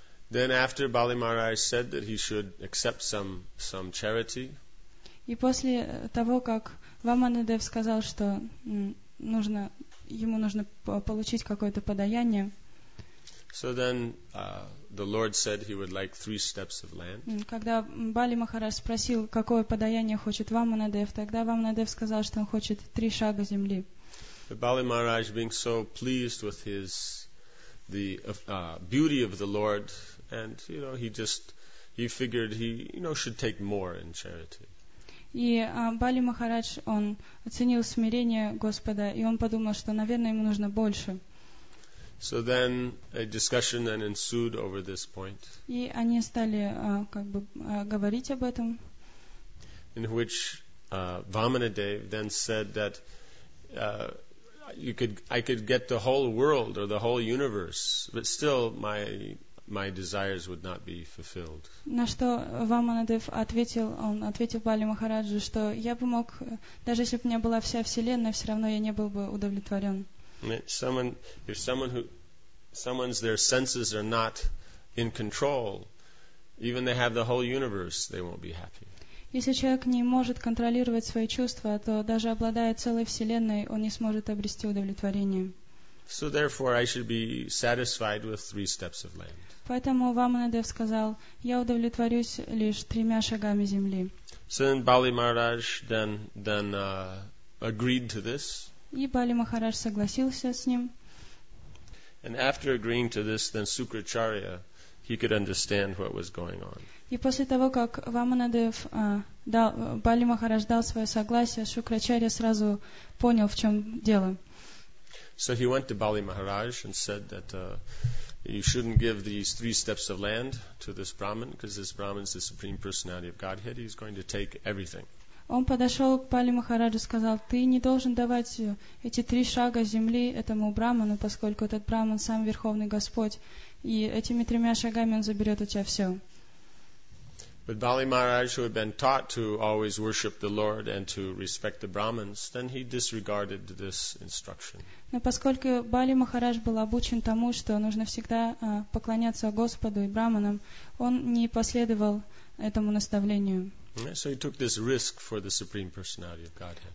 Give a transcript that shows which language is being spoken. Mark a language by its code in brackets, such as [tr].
[en] Then after Bali Maharaj said that he should accept some charity. [ru] И после того, как Ваманадев сказал, что ему нужно получить какое-то подаяние. [en] So then the Lord said he would like 3 steps of land. [ru] Когда Бали Махарадж спросил, какое подаяние хочет Ваманадев, тогда Ваманадев сказал, что он хочет 3 шага земли. [en] But Bali Maharaj, being so pleased with the beauty of the Lord, and you know, he figured he should take more in charity. [ru] И Бали Махарадж, он оценил смирение Господа, и он подумал, что, наверное, ему нужно больше. [en] So then a discussion then ensued over this point. [ru] И они стали говорить об этом. [en] In which Vamanadev then said that I could get the whole world or the whole universe, but still my desires would not be fulfilled. [ru] На что Ваманадев ответил, он ответил Бали Махараджу, что я бы мог, даже если бы у меня была вся вселенная, все равно я не был бы удовлетворен. [en] If someone's their senses are not in control, even they have the whole universe, they won't be happy. [ru] Если человек не может контролировать свои чувства, то даже обладая целой вселенной, он не сможет обрести удовлетворение. [en] So therefore, I should be satisfied with 3 steps of land. [ru] Поэтому Ваманадев сказал, я удовлетворюсь лишь 3 шагами земли. [en] So then Bali Maharaj then agreed to this. [ru] И Бали Махарадж согласился с ним. [en] And after agreeing to this, then Sukracharya, he could understand what was going on. [ru] И после того, как Ваманадев дал Бали Махарадж дал свое согласие, Шукрачарья сразу понял, в чем дело. [en] So he went to Bali Maharaj and said that you shouldn't give these 3 steps of land to this Brahmin, because this Brahmin is the Supreme Personality of Godhead. He's going to take everything. [ru] Он подошел к Бали Махараджу и сказал, ты не должен давать эти 3 шага земли этому Брахману, поскольку этот Брахман сам Верховный Господь, и этими 3 шагами он заберет у тебя все. [en] But Bali Maharaj, who had been taught to always worship the Lord and to respect the Brahmins, then he disregarded this instruction. [ru] Но поскольку Бали Махарадж был обучен тому, что нужно всегда поклоняться Господу и Брахманам, он не последовал этому наставлению. [en] So he took this risk for the Supreme Personality of Godhead.